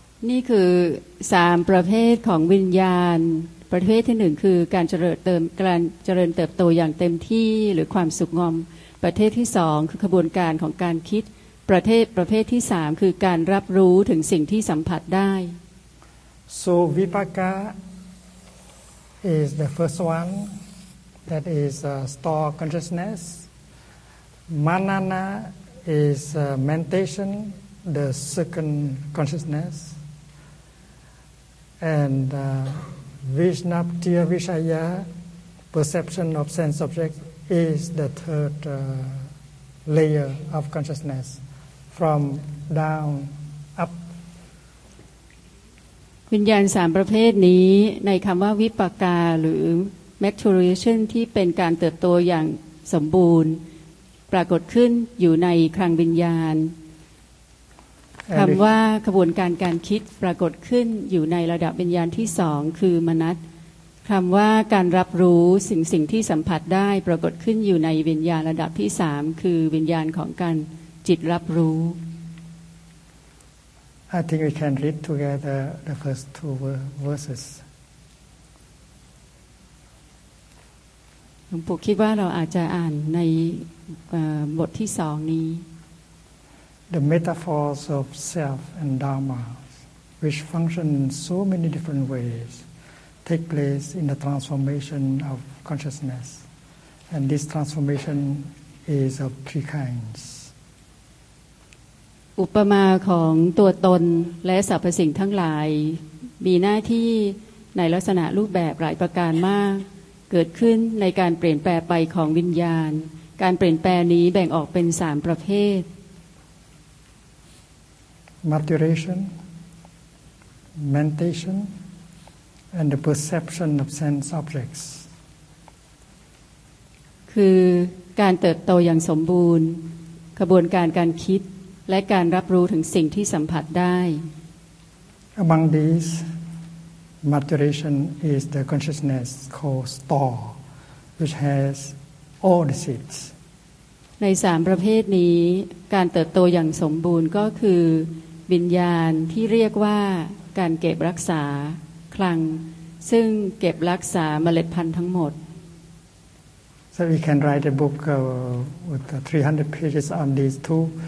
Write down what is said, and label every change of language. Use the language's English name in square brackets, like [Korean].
[Thai] นี่คือ3ประเภทของวิญญาณประเภทที่1คือการเจริญเติมการเจริญเติบโตอย่างเต็มที่หรือความสุขงอมประเภทที่2คือกระบวนการของการคิดประเภทที่3คือการรับรู้ถึงสิ่งที่สัมผัสได้ [English] So vipaka is the first one that is store consciousness. Manana is mentation, the second consciousness. And Vishnaptya Vishaya, perception of sense object, is the third layer of consciousness from down up. [Thai] วิญญาณ3ประเภทนี้ในคำว่าวิปากาหรือ maturation ที่เป็นการเติบโตอย่างสมบูรณ์ปรากฏขึ้นอยู่ในคลังวิญญาณคำว่าขบวนการการคิดปรากฏขึ้นอยู่ในระดับวิญญาณที่2คือมนัสคำว่าการรับรู้สิ่งที่สัมผัสได้ปรากฏขึ้นอยู่ในวิญญาณระดับที่3คือวิญญาณของการจิตรับรู้ [English] I think we can read together the first two verses. [Thai] หลวงปู่คิดว่าเราอาจจะอ่านในบทที่สองนี้ [English] The metaphors of self and dharma, which function in so many different ways, take place in the transformation of consciousness, and this transformation is of three kinds. [Thai] อุปมาของตัวตนและสรรพสิ่งทั้งหลายมีหน้าที่ในลักษณะรูปแบบหลายประการมากเกิดขึ้นในการเปลี่ยนแปลไปของวิญญาณการเปลี่ยนแปลนี้แบ่งออกเป็น3ประเภท [English] maturation mentation and the perception of sense objects [Thai] คือการเติบโตอย่างสมบูรณ์ขบวนการการคิดและการรับรู้ถึงสิ่งที่สัมผัสได้ [English] Among these, maturation is the consciousness called store, which has all the seeds. [Thai] ในสามประเภทนี้การเติบโตอย่างสมบูรณ์ก็คือวิญญาณที่เรียกว่าการเก็บรักษาคลังซึ่งเก็บรักษาเมล็ดพันธุ์ทั้งหมด [English] So we can write a book with 300 pages on these two.